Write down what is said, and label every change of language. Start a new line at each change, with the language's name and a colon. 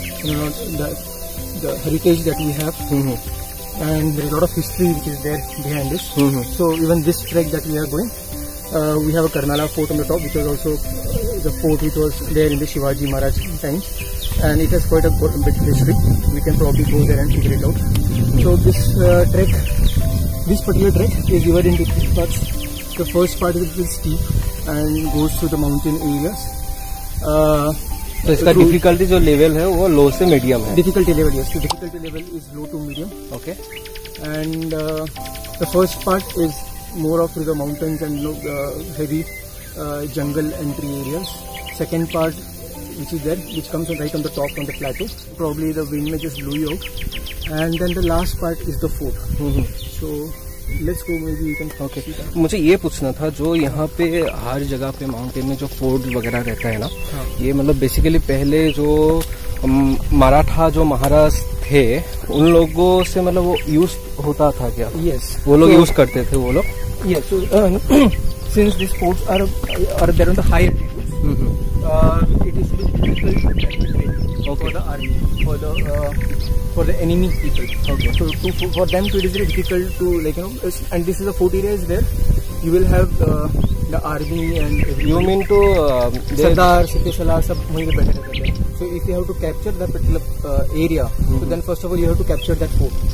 English: you know the heritage that we have and there is a lot of history which is there behind this so even this trek that we are going we have a Karnala fort on the top which is also the fort which was there in the Shivaji Maharaj times and it has quite a bit of history we can probably go there and figure it out so this trek this particular trek is divided into three parts the first part is a little steep and goes through the mountain areas
Hindi: तो इसका difficulty जो level है वो लो से medium है
English: difficulty level yes difficulty level is low to medium okay and the first part is more of through the mountains and low heavy jungle entry areas second part which is there which comes right on the top on the plateau probably the wind में just blew out and then the last part is the fort so let's go maybe you can
Hindi: okay मुझे ये पूछना था जो यहाँ पे हर जगह पे माउंटेन में जो फोर्ट वगैरह रहता है ना ये मतलब बेसिकली पहले जो मराठा जो महाराज थे उन लोगों से मतलब वो यूज होता था क्या
English: yes
Hindi: वो लोग यूज करते थे वो लोग
English: Yes since this forts are there on the high altitude it is difficult for the army For the enemy people, okay. So for them, it is very difficult to like you know, and this is a fort area is there, you will have the army and everything. You mean to
Hindi: Sardar, Siddhi Salar, sab wahi pe baithe rehte hain.
English: So if you have to capture that particular area, mm-hmm. so then first of all you have to capture that fort.